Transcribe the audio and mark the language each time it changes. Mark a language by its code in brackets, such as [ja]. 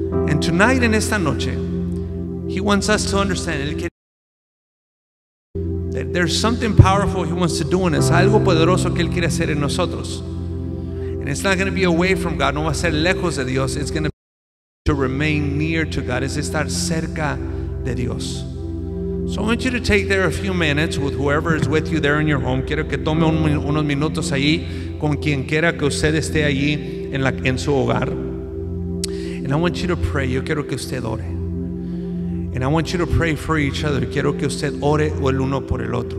[en] And tonight, [es] en esta noche, [en] he wants us to understand that there's something powerful he wants to do in us. [es] Algo poderoso que él quiere hacer en nosotros. [en] And it's not going to be away from God. [es] No va a ser lejos de Dios. [en] It's going to be to remain near to God. [es] Es estar cerca de Dios. [en] So I want you to take there a few minutes with whoever is with you there in your home. [es] Quiero que tome unos minutos allí con quien quiera que usted esté allí en su hogar. [en] And I want you to pray. [es] Yo quiero que usted ore. [en] And I want you to pray for each other. [es] Quiero que usted ore el uno por el otro.